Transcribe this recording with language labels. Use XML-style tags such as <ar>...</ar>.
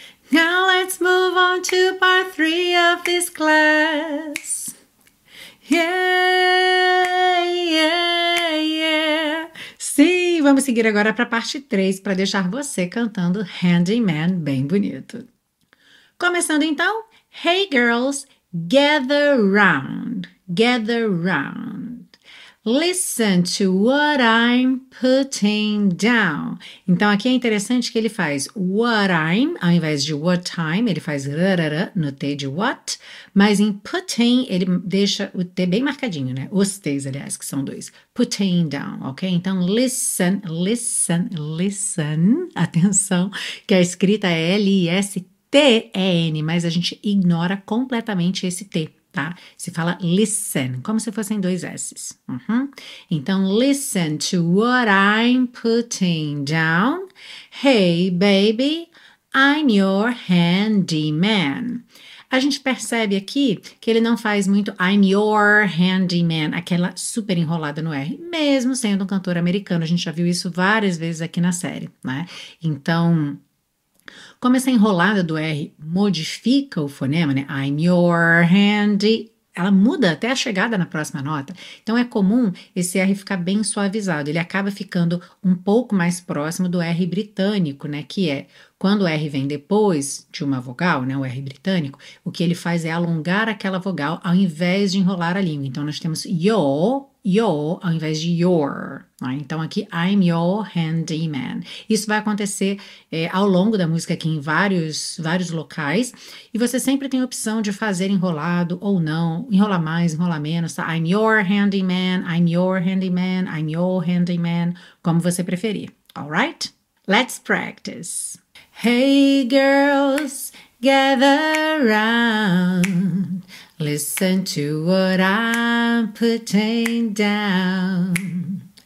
<en>Now let's move on to part 3 of this class. Yeah, yeah, yeah.</en> <pt>Sim, vamos seguir agora para a parte 3, para deixar você cantando Handyman bem bonito. Começando então,</pt> <en>hey girls, gather round, gather round. Listen to what I'm putting down.</en> <pt>Então aqui é interessante que ele faz what I'm, ao invés de what time, ele faz rarara no T de what. Mas em putting, ele deixa o T bem marcadinho, né? Os T's, aliás, que são dois. Putting down, ok? Então, listen, listen, listen. Atenção, que a escrita é L-I-S-T-E-N, mas a gente ignora completamente esse T, tá? Se fala listen, como se fossem dois S's. Uhum.</pt> <en>Então, listen to what I'm putting down. Hey, baby, I'm your handyman.</en> <pt>A gente percebe aqui que ele não faz muito I'm your handyman, aquela super enrolada no R, mesmo sendo um cantor americano. A gente já viu isso várias vezes aqui na série, né? Então, como essa enrolada do R modifica o fonema, né? I'm your handy, ela muda até a chegada na próxima nota. Então, é comum esse R ficar bem suavizado. Ele acaba ficando um pouco mais próximo do R britânico, né? Que é... Quando o R vem depois de uma vogal, né, o R britânico, o que ele faz é alongar aquela vogal ao invés de enrolar a língua. Então, nós temos your, your, ao invés de your. Né? Então, aqui, I'm your handyman. Isso vai acontecer ao longo da música aqui em vários locais. E você sempre tem a opção de fazer enrolado ou não. Enrolar mais, enrolar menos. Tá?</pt> <en>I'm your handyman, I'm your handyman, I'm your handyman.</en> <pt>Como você preferir.</pt> <en>Alright? Let's practice. Hey girls, gather round, listen to what I'm putting down.</en>